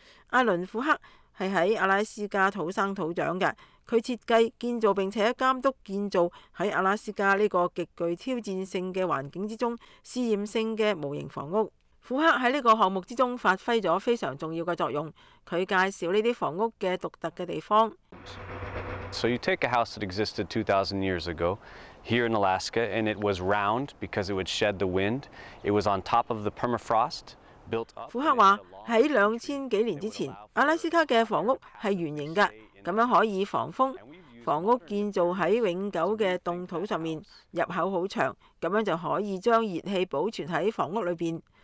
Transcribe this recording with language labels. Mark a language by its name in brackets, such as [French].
[Chinese] 艾倫·庫克是在阿拉斯加土生土長的，他設計、建造並且監督建造在阿拉斯加這個極具挑戰性的環境之中試驗性的模型房屋。庫克在這個項目之中發揮了非常重要的作用，他介紹這些房屋的獨特的地方。 [English] So you take a house that existed 2,000 years ago here in Alaska, and it was round because it would shed the wind. It was on top of the permafrost. [Chinese] 庫克說，在2000多年之前，阿拉斯加的房屋是圓形的，這樣可以防風。房屋建造在永久的凍土上面，入口很長，這樣就可以將熱氣保存在房屋裡面。